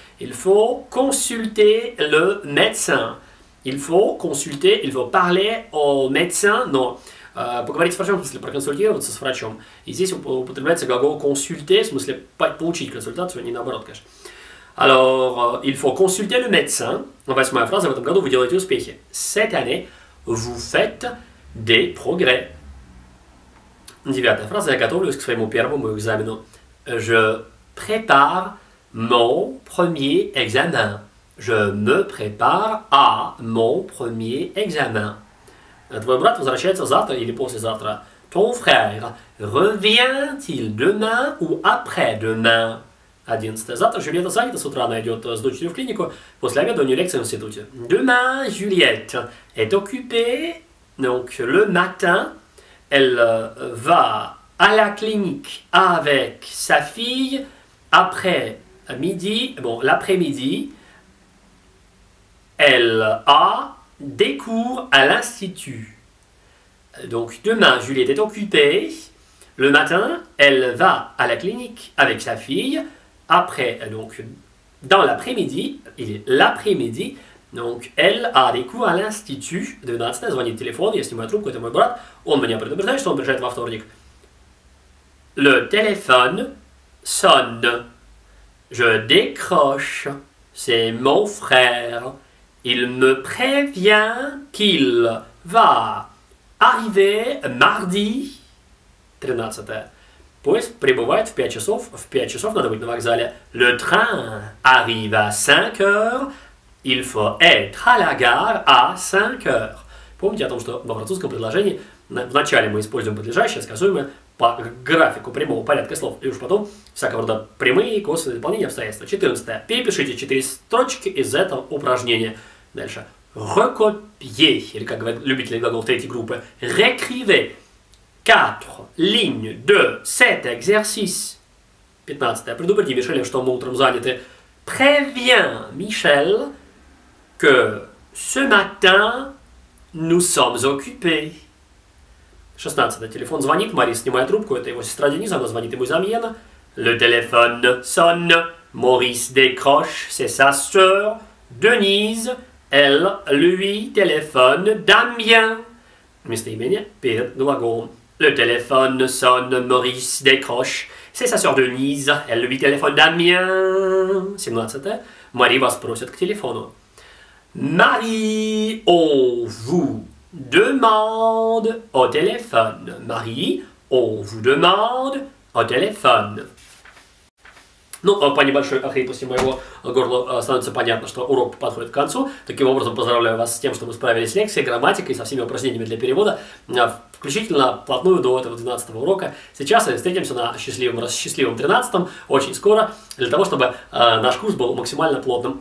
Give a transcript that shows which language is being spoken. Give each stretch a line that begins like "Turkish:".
French: Il faut consulter le médecin. Il faut parler au médecin, non.
Russian: Поговорить с врачом, в смысле проконсультироваться с врачом. И здесь употребляется глагол consulter, в смысле получить консультацию, а не наоборот, конечно.
French: Alors, il faut consulter le médecin.
Russian: Восьмая фраза, в этом году вы делаете успехи.
French: Cette année, vous faites des progrès.
Russian: Девятая фраза, я готовлюсь к своему первому экзамену.
French: Je prépare mon premier examen. Je me prépare à mon premier examen.
Russian: Твой брат возвращается завтра или послезавтра.
French: Ton frère revient-il demain ou après-demain?
Russian: 11. Завтра Жюльетта занята, с утра она идет с дочерью в клинику, после обеда у нее лекция в институте.
French: Demain, Juliette est occupée, donc le matin, elle va à la clinique avec sa fille l'après-midi, elle a des cours à l'institut. Donc demain, Juliette est occupée. Le matin, elle va à la clinique avec sa fille. Après, donc, dans l'après-midi, il est l'après-midi, donc elle a des cours à l'institut. De 12, elle
Russian: звонит
French: téléphone,
Russian: я снимаю трубку, это мой брат. Он меня предупреждает, что он приезжает во вторник.
French: Le téléphone sonne. Je décroche. C'est mon frère. Il me prévient qu'il va arriver mardi.
Russian: 13. Поезд прибывает в 5 часов. В 5 часов надо быть на вокзале.
French: Le train arrive à 5 heures. Il faut être à la gare à 5 heures.
Russian: Помните о том, что во французском предложении вначале мы используем подлежащее, сказуемое по графику прямого порядка слов, и уж потом всякого рода прямые, косвенные дополнения обстоятельства. 14. Перепишите 4 строчки из этого упражнения. Дальше.
French: Recopier,
Russian: или как говорят любители глаголов третьей группы,
French: récrivez 4 lignes de cet exercice.
Russian: 15. Предупреди Мишеля, что мы утром заняты.
French: Préviens Michel que Ce matin, nous sommes occupés.
Russian: 16. Телефон звонит, Мари снимает трубку. Это его сестра Дениса, она звонит ему из Амьена.
French: Le téléphone sonne, Maurice décroche, c'est sa sœur Denise, elle lui téléphone d'Amiens.
Russian: Местоимение, перед глаголом.
French: Le téléphone sonne, Maurice décroche, c'est sa sœur Denise, elle lui téléphone d'Amiens.
Russian: 17. Мари вас просит к телефону.
French: Marie, on vous demande au téléphone. Marie, on vous demande au téléphone.
Russian: Ну, по небольшой охрипости моего горла становится понятно, что урок подходит к концу. Таким образом, поздравляю вас с тем, что вы справились с лекцией, грамматикой, со всеми упражнениями для перевода, включительно вплотную до этого 12-го урока. Сейчас мы встретимся на счастливом 13-м, очень скоро, для того, чтобы наш курс был максимально плотным.